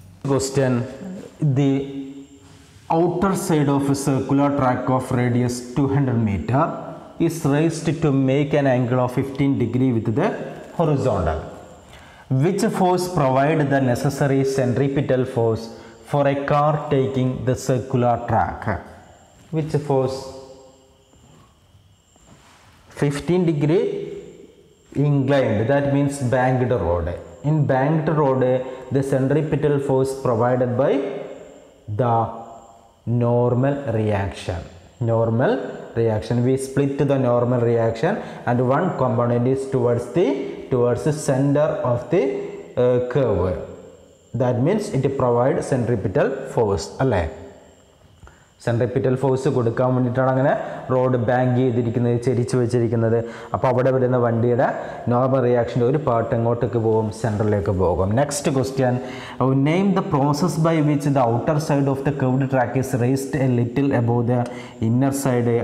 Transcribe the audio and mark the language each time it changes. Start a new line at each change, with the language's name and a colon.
English: Question, the outer side of circular track of radius 200 meters is raised to make an angle of 15 degrees with the horizontal. Which force provide the necessary centripetal force for a car taking the circular track? Which force? 15 degrees inclined, that means banked road. In banked road, the centripetal force provided by the normal reaction. Normal reaction, we split the normal reaction and one component is towards the center of the curve. That means it provides centripetal force, alright?
Malayalam: Centripetal force കൊടുക്കാൻ വേണ്ടിയിട്ടാണ് അങ്ങനെ road bank ചെയ്തിരിക്കുന്നത്, ചെരിച്ച് വെച്ചിരിക്കുന്നത്. അപ്പോൾ അവിടെ വരുന്ന വണ്ടിയുടെ നോർമൽ റിയാക്ഷൻ്റെ ഒരു പാർട്ട് എങ്ങോട്ടേക്ക് പോകും? സെൻട്രലിലേക്ക് പോകും.
English: Next question, name the process by which the outer side of the curved track is raised a little above the inner side.